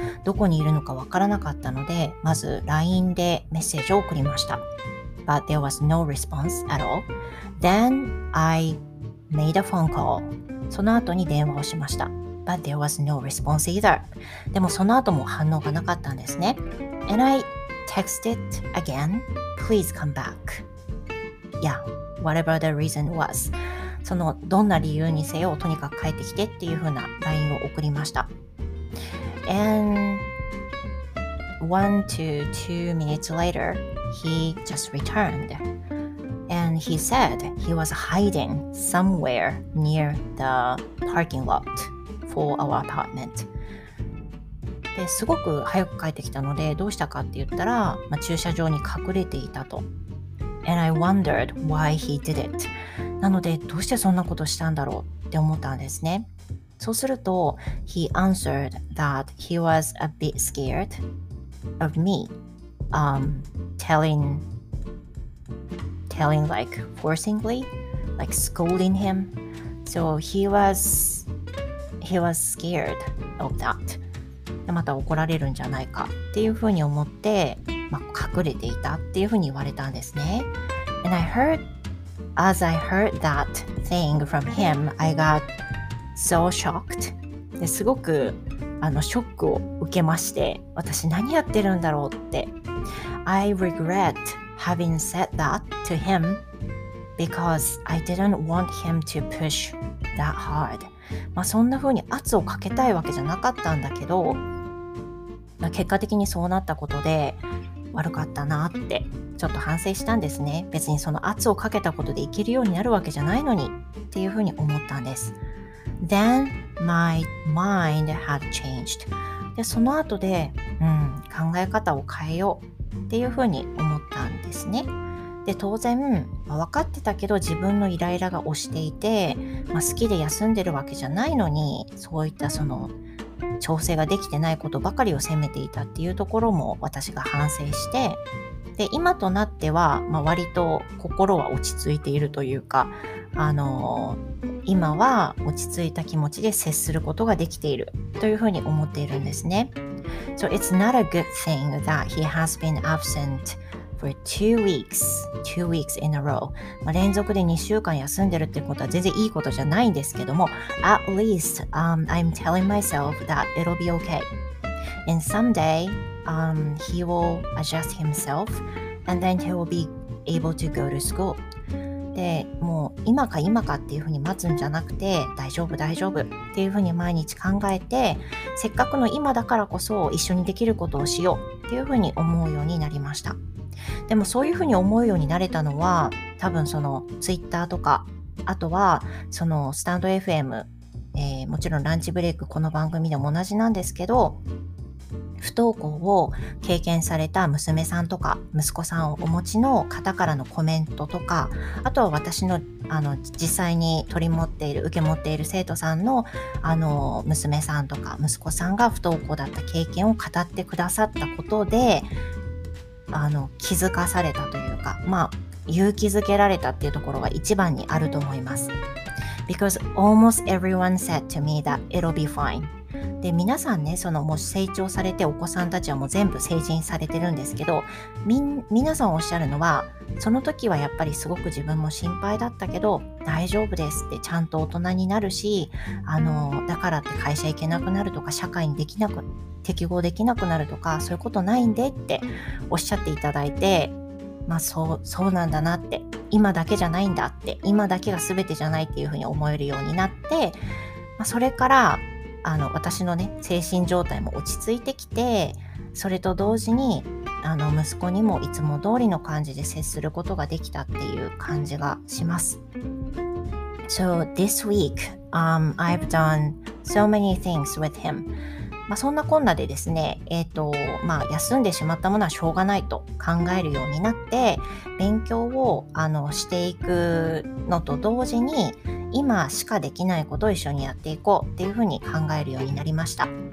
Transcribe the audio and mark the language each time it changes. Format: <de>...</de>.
<ja>どこにいるのかわからなかったので、まず LINE でメッセージを送りました。</ja> <en>But there was no response at all. Then I made a phone call.</en> <ja>その後に電話をしました。</ja> <en>But there was no response either.</en> <ja>でもその後も反応がなかったんですね。</ja> <en>And I texted again. Please come back. Yeah. Whatever the reason was.</en> <ja>そのどんな理由にせよ、とにかく帰ってきてっていう風な LINE を送りました。</ja> <en>And one to two minutes later, he just returned. And he said he was hiding somewhere near the parking lot for our apartment.</en> <ja>ですごく早く帰ってきたので、どうしたかって言ったら、まあ、駐車場に隠れていたと。</ja> <en>And I wondered why he did it.</en> <ja>なので、どうしてそんなことしたんだろうって思ったんですね。そうすると、</ja> <en>He answered that he was a bit scared of me, telling like forcingly, like scolding him. So he was scared of that.</en> <ja>また怒られるんじゃないかっていうふうに思って、まあ、隠れていたっていうふうに言われたんですね。</ja> <en>And I heard, as I heard that thing from him, I got so shocked.</en> <ja>ですごくショックを受けまして、私何やってるんだろうって。</ja> <en>I regret having said that to him because I didn't want him to push that hard.</en> <ja>まあ、そんな風に圧をかけたいわけじゃなかったんだけど、まあ、結果的にそうなったことで悪かったなって。ちょっと反省したんですね。別にその圧をかけたことでいけるようになるわけじゃないのにっていうふうに思ったんです。</ja> <en>Then my mind had changed.</en> <ja>で、その後で、考え方を変えようっていうふうに思ったんですね。で、当然、まあ、分かってたけど自分のイライラが押していて、まあ、好きで休んでるわけじゃないのに、そういったその調整ができてないことばかりを責めていたっていうところも私が反省して、で、今となっては、まあ、割と心は落ち着いているというか、今は落ち着いた気持ちで接することができているというふうに思っているんですね。</ja> <en>So it's not a good thing that he has been absent for two weeks in a row.</en> <ja>まあ、連続で2週間休んでるってことは全然いいことじゃないんですけども、</ja> <en>At least, I'm telling myself that it'll be okay. And someday,he will adjust himself and then he will be able to go to school.</en> <ja>でもう今か今かっていうふうに待つんじゃなくて、大丈夫大丈夫っていうふうに毎日考えて、せっかくの今だからこそ一緒にできることをしようっていうふうに思うようになりました。でもそういうふうに思うようになれたのは、多分そのツイッターとか、あとはそのスタンド FM、もちろんランチブレイクこの番組でも同じなんですけど、不登校を経験された娘さんとか息子さんをお持ちの方からのコメントとか、あとは私の、実際に取り持っている受け持っている生徒さんの、娘さんとか息子さんが不登校だった経験を語ってくださったことで、気づかされたというか、まあ勇気づけられたっていうところが一番にあると思います。</ja> <en>Because almost everyone said to me that it'll be fine。</en> <ja>で皆さんね、そのもう成長されて、お子さんたちはもう全部成人されてるんですけど、皆さんおっしゃるのは、その時はやっぱりすごく自分も心配だったけど、大丈夫ですって、ちゃんと大人になるし、だからって会社行けなくなるとか、社会にできなく適合できなくなるとか、そういうことないんでっておっしゃっていただいて、まあそうなんだなって、今だけじゃないんだって、今だけが全てじゃないっていうふうに思えるようになって、まあ、それから私のね、精神状態も落ち着いてきて、それと同時に息子にもいつも通りの感じで接することができたっていう感じがします。</ja> <en>So this week、I've done so many things with him。</en> <ja>まあそんなこんなでですね、まあ休んでしまったものはしょうがないと考えるようになって、勉強をしていくのと同時に、今しかできないことを一緒にやっていこうっていうふうに考えるようになりました。</ja>